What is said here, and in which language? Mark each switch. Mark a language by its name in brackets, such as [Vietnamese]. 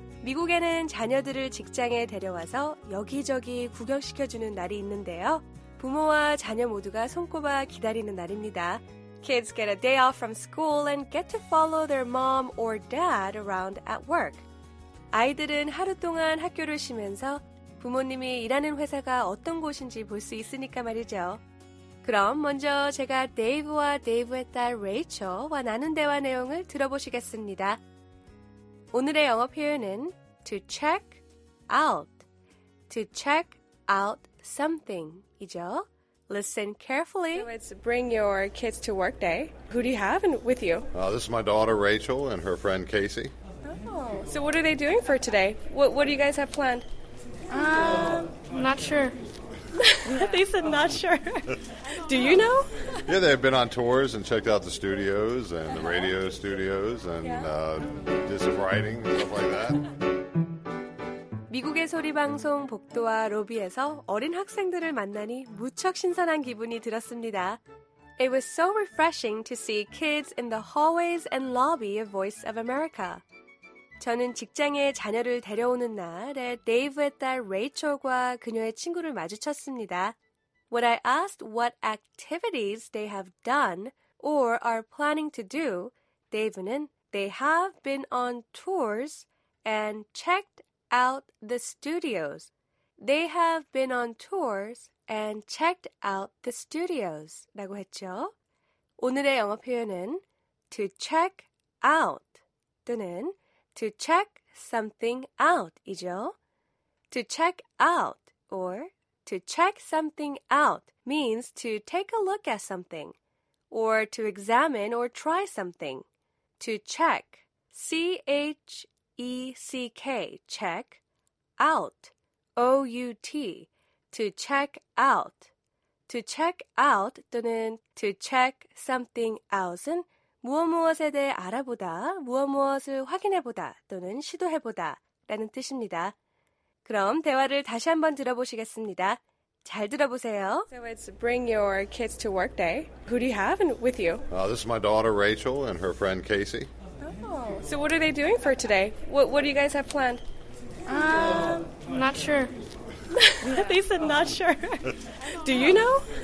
[Korean] 미국에는 자녀들을 직장에 데려와서 여기저기 구경시켜주는 날이 있는데요. 부모와 자녀 모두가 손꼽아 기다리는 날입니다. [English] Kids get a day off from school and get to follow their mom or dad around at work. [Korean] 아이들은 하루 동안 학교를 쉬면서 부모님이 일하는 회사가 어떤 곳인지 볼 수 있으니까 말이죠. 그럼 먼저 제가 데이브와 데이브의 딸 레이첼과 나눈 대화 내용을 들어보시겠습니다. 오늘의 영어 표현은 [English] to check out, to check out something [Korean] 이죠. [English] Listen carefully. So it's bring your kids to work day. Who do you have with you? This is my daughter Rachel and her friend Casey. Oh, so what are they doing for today? What do you guys have planned? Not sure. They said not sure. Do you know? Yeah, they've been on tours and checked out the studios and the radio studios and did some writing and stuff like that. [Korean] 미국의 소리 방송 복도와 로비에서 어린 학생들을 만나니 무척 신선한 기분이 들었습니다. [English] It was so refreshing to see kids in the hallways and lobby of Voice of America. [Korean] 저는 직장에 자녀를 데려오는 날에 데이브의 딸 레이첼과 그녀의 친구를 마주쳤습니다. [English] When I asked what activities they have done or are planning to do, [Korean] 데이브는 [English] they have been on tours and checked out the studios. They have been on tours and checked out the studios [Korean] 라고 했죠. 오늘의 영어 표현은 [English] to check out [Korean] 또는 [English] to check something out [Korean] 이죠. [English] To check out or to check something out means to take a look at something or to examine or try something. To check, C-H-E-C-K, check, out, O-U-T, to check out. To check out [Korean] 또는 [English] to check something out [Korean] 은 무엇무엇에 대해 알아보다, 무엇무엇을 확인해보다 또는 시도해보다 라는 뜻입니다. 그럼 대화를 다시 한번 들어보시겠습니다. 잘 들어보세요. [English] So it's bring your kids to work day. Who do you have with you? This is my daughter Rachel and her friend Casey. Oh, so what are they doing for today? What do you guys have planned? Not sure. They said not sure. Do you know?